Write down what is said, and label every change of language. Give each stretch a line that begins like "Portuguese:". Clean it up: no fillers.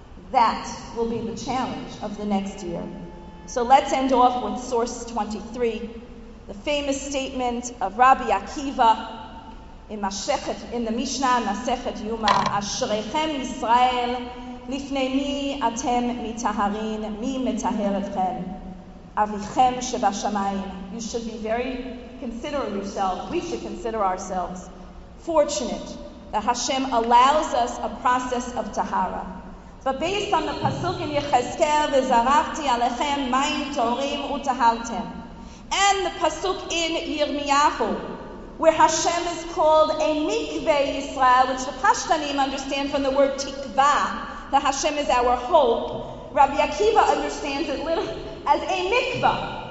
English: That will be the challenge of the next year. So let's end off with Source 23, the famous statement of Rabbi Akiva in the Mishnah, Masechet Yuma,
Hebrew: Ashrechem Yisrael, לפני מי אתם מטהרין, מי מטהר אתכם? אביכם שבשמיים.
English: You should be very considerate of yourself. We should consider ourselves fortunate that Hashem allows us a process of tahara. But based on the pasuk in Yechezkel,
Hebrew: v'zarachti alechem mayim torim utahaltem,
English: and the pasuk in Yirmiyahu, where Hashem is called a mikveh Yisrael, which the Pashtanim understand from the word tikvah, that Hashem is our hope, Rabbi Akiva understands it little as a mikvah.